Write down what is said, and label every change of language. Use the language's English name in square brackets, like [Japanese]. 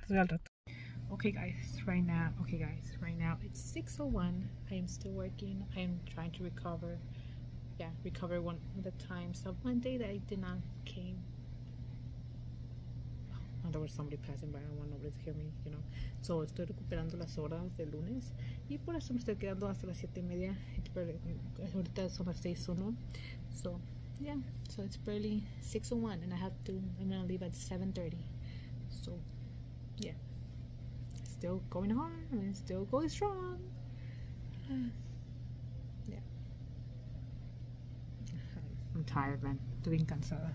[Spanish] Nos vemos al rato. [English] Okay guys, right now it's 6:01. I am still working. I am trying to recover. Yeah, recover one of the times of one day that I did not came. Oh, I'm there was somebody passing by, I don't want nobody to hear me, you know. [Spanish] So estoy recuperando las horas del lunes y por eso me estoy quedando hasta las 7:30. Ahorita son las 6:01. [English] So yeah, so it's barely 6:01 and I'm gonna leave at 7:30. So yeah, still going hard and still going strong. Yeah, I'm tired, man. [Spanish] Estoy cansada.